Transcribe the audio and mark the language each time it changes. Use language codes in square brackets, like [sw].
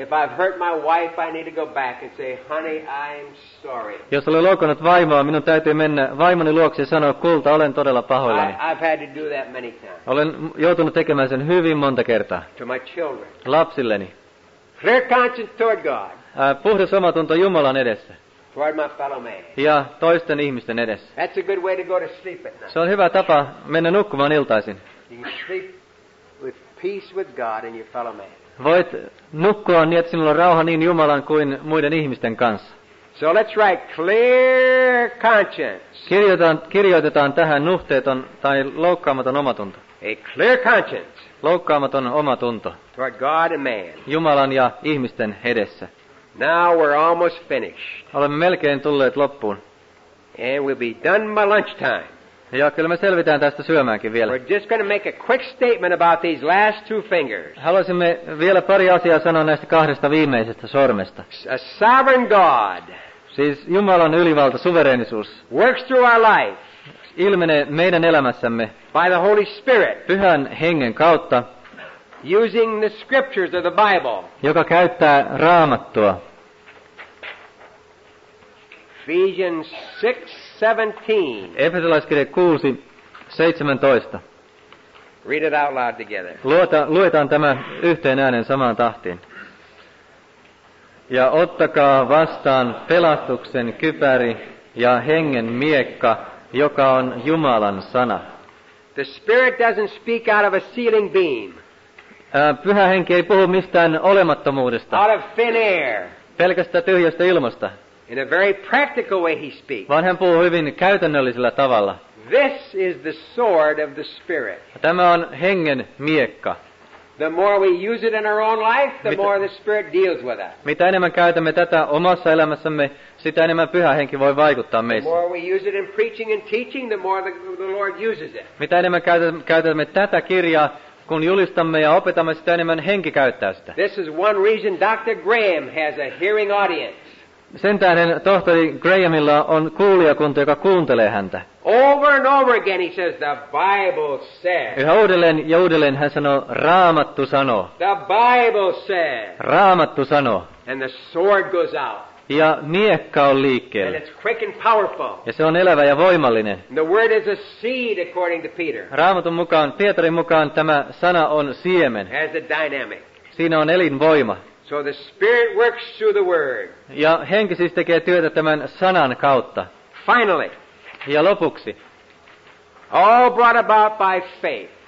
[en] If I've hurt my wife, I need to go back and say, honey, I'm sorry. [fi] Jos olen loukannut vaimoa, minun täytyy mennä vaimoni luokse ja sanoa, kulta, olen todella pahoillani. [en] I've had to do that many times. [fi] Olen joutunut tekemään sen hyvin monta kertaa. [en] To my children. [fi] Lapsilleni. [en] Clear conscience toward God. [fi] Puhdas omatunto Jumalan edessä. [en] Toward my fellow man. [fi] Ja toisten ihmisten edessä. [en] That's a good way to go to sleep at night. [fi] Se on hyvä tapa mennä nukkumaan iltaisin. [en] You can sleep with peace with God and your fellow man. [fi] Voit nukkua niin, että sinulla on rauha niin Jumalan kuin muiden ihmisten kanssa. [en] So let's write clear conscience. [fi] Kirjoitetaan tähän nuhteeton tai loukkaamaton omatunto. [en] A clear conscience. [fi] Loukkaamaton omatunto. [en] Toward God and man. [fi] Jumalan ja ihmisten edessä. [en] Now we're almost finished. [fi] Olemme melkein tulleet loppuun. [en] And we'll be done by lunchtime. [fi] Ja kyllä me selvitään tästä syömäänkin vielä. [en] We're just going to make a quick statement about these last two fingers. [fi] Haluaisimme vielä pari asiaa sanoa näistä kahdesta viimeisestä sormesta. [en] A sovereign God. [fi] Siis Jumalan ylivalta, suvereenisuus. [en] Works through our life. [fi] Ilmenee meidän elämässämme. [en] By the Holy Spirit. [fi] Pyhän hengen kautta. [en] Using the scriptures of the Bible. [fi] Joka käyttää Raamattua. [en] Ephesians 6:17. [fi] Efesolaiskirje 6:17. [en] Read it out loud together. [fi] Luetaan tämä yhteen äänen samaan tahtiin. Ja ottakaa vastaan pelastuksen kypäri ja hengen miekka, joka on Jumalan sana. [en] The Spirit doesn't speak out of a ceiling beam. [fi] Pyhä henki ei puhu mistään olemattomuudesta. [en] Out of thin air. [fi] Pelkästä tyhjästä ilmasta. [en] In a very practical way he speaks. [fi] Vaan hän puhuu hyvin käytännöllisellä tavalla. [en] This is the sword of the Spirit. [fi] Tämä on hengen miekka. [en] The more we use it in our own life, the more the Spirit deals with us. [fi] Mitä enemmän käytämme tätä omassa elämässämme, sitä enemmän pyhä henki voi vaikuttaa meissä. [en] The more we use it in preaching and teaching, the more the Lord uses it. [fi] Mitä enemmän käytämme tätä kirjaa, kun julistamme ja opetamme, sitä enemmän henki käyttää sitä. [en] This is one reason Dr. Graham has a hearing audience. [fi] Sen tähden tohtori Grahamilla on kuulijakunta, joka kuuntelee häntä. [en] Over and over again he says, the Bible says. [fi] Yhä uudelleen ja uudelleen hän sanoo, Raamattu sanoo. [en] The Bible says. [fi] Raamattu sanoo. [en] And the sword goes out. [fi] Ja miekka on liikkeellä. [en] And it's quick and powerful. [fi] Ja se on elävä ja voimallinen. [en] The word is a seed according to Peter. [fi] Raamatun mukaan, Pietarin mukaan tämä sana on siemen. [en] Has a dynamic. [fi] Siinä on elinvoima. [en] So the Spirit works through the word. [fi] Ja henki siis tekee työtä tämän sanan kautta. [en] Finally. [fi] Ja lopuksi. [en] All brought about by faith.